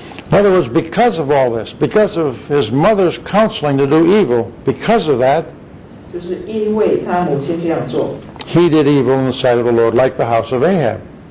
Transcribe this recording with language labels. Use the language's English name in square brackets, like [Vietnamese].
[English] In other words, because of all this, because of his mother's counseling to do evil, because of that, [Chinese] 就是因为他母亲这样做, [English] he did evil in the sight of the Lord, like the house of Ahab.